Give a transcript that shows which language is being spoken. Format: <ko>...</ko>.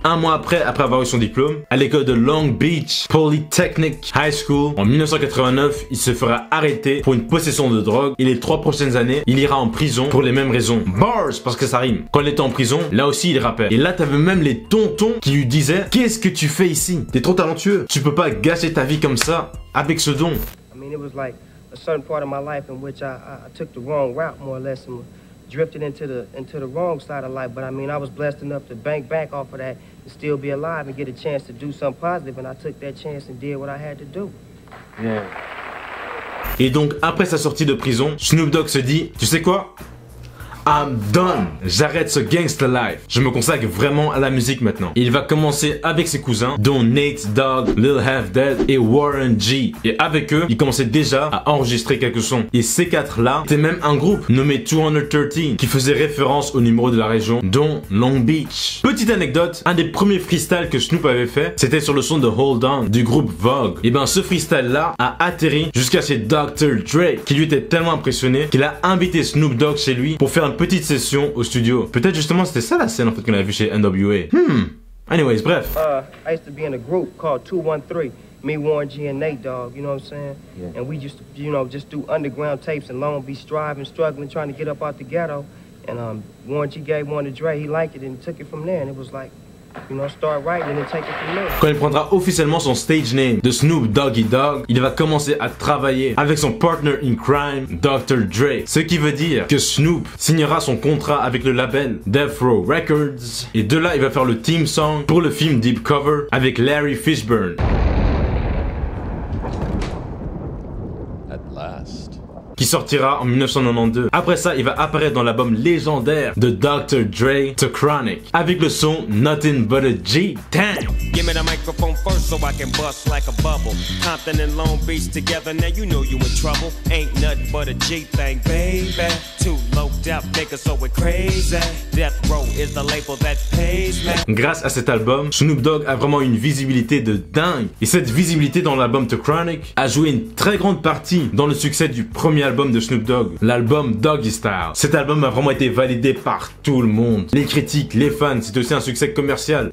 <fr>Un mois après avoir eu son diplôme à l'école de Long Beach Polytechnic High School, en 1989, il se fera arrêté pour une possession de drogue et les 3 prochaines années, il ira en prison pour les mêmes raisons. Bars, parce que ça rime. Quand il était en prison, là aussi il rappait. Et là, t'avais même les tontons qui lui disaient, qu'est-ce que tu fais ici? T'es trop talentueux. Tu peux pas gâcher ta vie comme ça, avec ce don.</fr> <en>I mean, it was like, a certain part of my life in which I took the wrong route, more or less, and drifted into the wrong side of life. But I mean, I was blessed enough to bank back off of that and still be alive and get a chance to do something positive, and I took that chance and did what I had to do. Yeah.</en> <fr>Et donc, après sa sortie de prison, Snoop Dogg se dit, tu sais quoi ?</fr> <en>I'm done !</en> <fr>J'arrête ce gangsta life. Je me consacre vraiment à la musique maintenant. Il va commencer avec ses cousins, dont Nate Dogg, Lil Half Dead et Warren G. Et avec eux, il commençait déjà à enregistrer quelques sons. Et ces quatre-là étaient même un groupe nommé 213 qui faisait référence au numéro de la région, dont Long Beach. Petite anecdote, un des premiers freestyles que Snoop avait fait, c'était sur le son de Hold On du groupe Vogue. Et ben ce freestyle-là a atterri jusqu'à chez Dr. Dre, qui lui était tellement impressionné qu'il a invité Snoop Dogg chez lui pour faire une petite session au studio. Peut-être justement c'était ça la scène en fait qu'on a vu chez NWA. Anyways, bref.</fr> <en>I used to be in a group called 213, me, Warren G and Nate Dogg, you know what I'm saying? Yeah. And we just, you know, just do underground tapes and Long Beach, striving, struggling, trying to get up out the ghetto. And Warren G gave one to Dre, he liked it and took it from there, and it was like, you know, start writing and take it from there.</en> <fr>Quand il prendra officiellement son stage name de Snoop Doggy Dogg, il va commencer à travailler avec son</fr> <en>partner in crime,</en> <fr>Dr. Dre. Ce qui veut dire que Snoop signera son contrat avec le label Death Row Records. Et de là, il va faire le theme song pour le film Deep Cover avec Larry Fishburne. Qui sortira en 1992. Après ça, il va apparaître dans l'album légendaire de Dr. Dre, The Chronic, avec le son Nothing But a G. Damn!</fr> <en>Give me the microphone first so I can bust like a bubble. Compton and Long Beach together, now you know you in trouble. Ain't nothing but a G thing, baby. Too low death, nigga, so we're crazy. Death Row is the label that pays me.</en> <fr>Grâce à cet album, Snoop Dogg a vraiment une visibilité de dingue. Et cette visibilité dans l'album The Chronic a joué une très grande partie dans le succès du premier album de Snoop Dogg, l'album Doggy Style. Cet album a vraiment été validé par tout le monde. Les critiques, les fans, c'est aussi un succès commercial.</fr>